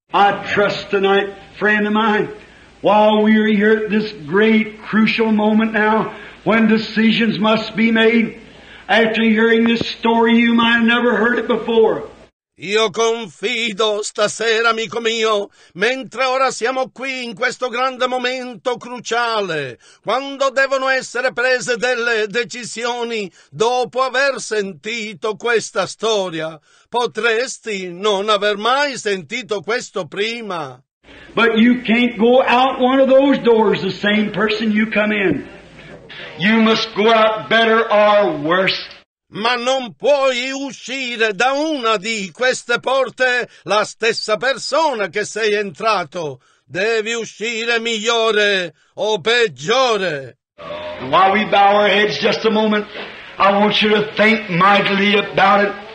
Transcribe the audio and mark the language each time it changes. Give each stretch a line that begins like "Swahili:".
English: I trust tonight, friend of mine. While we are here at this great crucial moment now, when decisions must be made, after hearing this story you might have never heard it before.
Italian: Io confido stasera, amico mio, mentre ora siamo qui in questo grande momento cruciale, quando devono essere prese delle decisioni dopo aver sentito questa storia. Potresti non aver mai sentito questo prima.
English: But you can't go out one of those doors the same person you come in. You must go out better or worse.
Italian: Ma non puoi uscire da una di queste porte la stessa persona che sei entrato. Devi uscire migliore o peggiore.
English: And while we bow our heads just a moment, I want you to think mightily about it.